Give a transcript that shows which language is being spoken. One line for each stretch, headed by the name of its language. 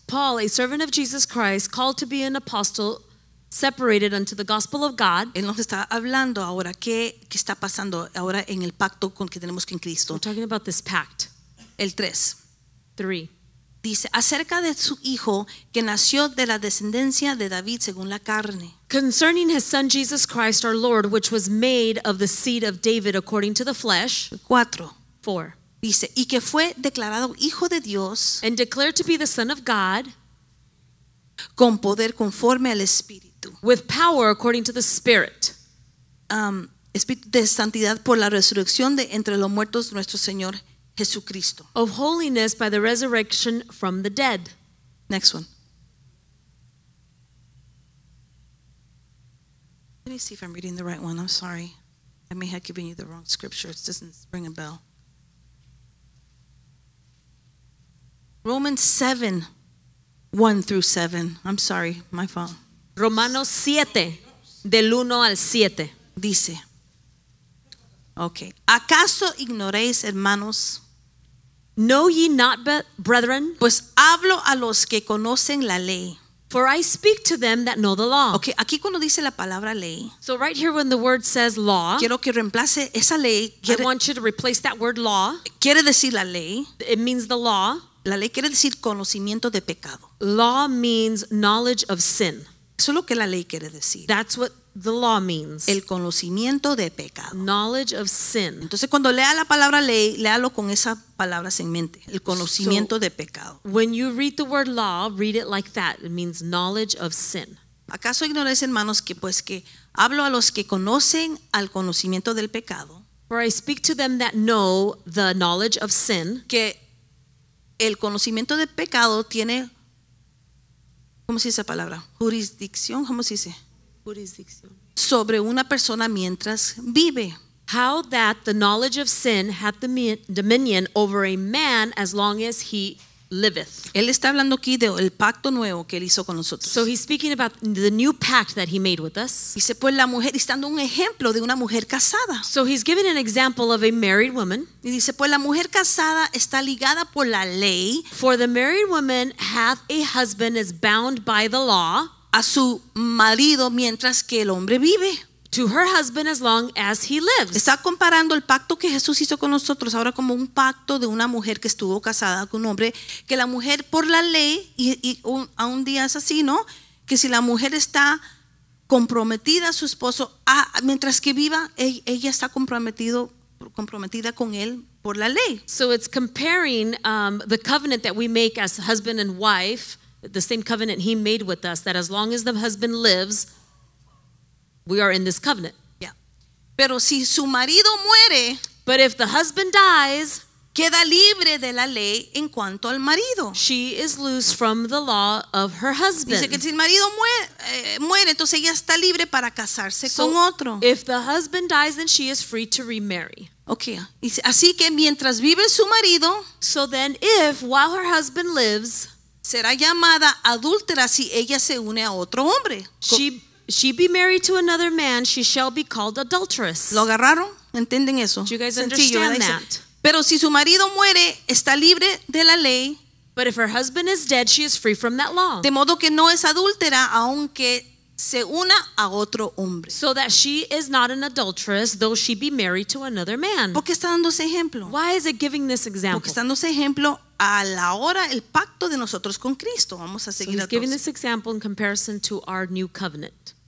English: Paul, a servant of Jesus Christ, called to be an apostle, separated unto the gospel of God.
Spanish: Él nos está hablando ahora, ¿qué está pasando ahora en el pacto con que tenemos con Cristo?
English: We're talking about this pact.
Spanish: El 3. dice acerca de su hijo que nació de la descendencia de David según la carne.
English: Concerning his son Jesus Christ our Lord, which was made of the seed of David according to the flesh. 4.
Spanish: Dice y que fue declarado hijo de Dios.
English: And declared to be the son of God.
Spanish: Con poder conforme al Espíritu.
English: With power according to the Spirit.
Spanish: Espíritu de santidad por la resurrección de entre los muertos nuestro Señor Jesucristo.
English: Of holiness by the resurrection from the dead. Next one. Let me see if I'm reading the right one. I'm sorry. I may have given you the wrong scripture. It doesn't ring a bell. Romans 7, 1 through 7. I'm sorry, my fault.
Spanish: Romanos 7, del 1 al 7. Dice, okay. ¿Acaso ignoréis, hermanos?
English: Know ye not, brethren?
Spanish: Pues hablo a los que conocen la ley.
English: For I speak to them that know the law.
Spanish: Okay, aquí cuando dice la palabra ley.
English: So right here when the word says law.
Spanish: Quiero que reemplace esa ley.
English: I want you to replace that word law.
Spanish: Quiere decir la ley.
English: It means the law.
Spanish: La ley quiere decir conocimiento de pecado.
English: Law means knowledge of sin.
Spanish: Eso es lo que la ley quiere decir.
English: That's what the law means.
Spanish: El conocimiento de pecado.
English: Knowledge of sin.
Spanish: Entonces cuando lea la palabra ley, léalo con esa palabra en mente. El conocimiento de pecado.
English: When you read the word law, read it like that. It means knowledge of sin.
Spanish: ¿Acaso ignoráis, hermanos, que pues que hablo a los que conocen al conocimiento del pecado?
English: For I speak to them that know the knowledge of sin.
Spanish: Que el conocimiento de pecado tiene, ¿cómo se dice esa palabra? Jurisdicción, ¿cómo se dice? Jurisdicción. Sobre una persona mientras vive.
English: How that the knowledge of sin hath dominion over a man as long as he liveth.
Spanish: Él está hablando aquí del pacto nuevo que él hizo con nosotros.
English: So he's speaking about the new pact that he made with us.
Spanish: Dice, pues la mujer, está dando un ejemplo de una mujer casada.
English: So he's giving an example of a married woman.
Spanish: Y dice, pues la mujer casada está ligada por la ley.
English: For the married woman hath a husband is bound by the law.
Spanish: A su marido mientras que el hombre vive.
English: To her husband as long as he lives.
Spanish: Está comparando el pacto que Jesús hizo con nosotros ahora como un pacto de una mujer que estuvo casada con un hombre, que la mujer por la ley y un día es así, ¿no? Que si la mujer está comprometida a su esposo mientras que viva, ella está comprometida con él por la ley.
English: So it's comparing the covenant that we make as husband and wife, the same covenant he made with us, that as long as the husband lives, we are in this covenant.
Spanish: Yeah. Pero si su marido muere,
English: but if the husband dies,
Spanish: queda libre de la ley en cuanto al marido.
English: She is loose from the law of her husband.
Spanish: Dice que si el marido muere, entonces ella está libre para casarse
English: so
Spanish: con otro.
English: If the husband dies, then she is free to remarry.
Spanish: Okay. Dice, así que mientras vive su marido,
English: so then if while her husband lives,
Spanish: será llamada adúltera si ella se une a otro hombre.
English: She be married to another man, she shall be called adulteress.
Spanish: ¿Lo agarraron? ¿Entienden eso?
English: Do you guys understand that?
Spanish: Pero si su marido muere, está libre de la ley.
English: But if her husband is dead, she is free from that law.
Spanish: De modo que no es adúltera aunque se una a otro hombre.
English: So that she is not an adulteress, though she be married to another man.
Spanish: ¿Por qué está dando ese ejemplo?
English: Why is it giving this example?
Spanish: Porque está dando ese ejemplo a la hora el pacto de nosotros con Cristo. Vamos a seguir.
English: So he's giving this example in comparison to our new covenant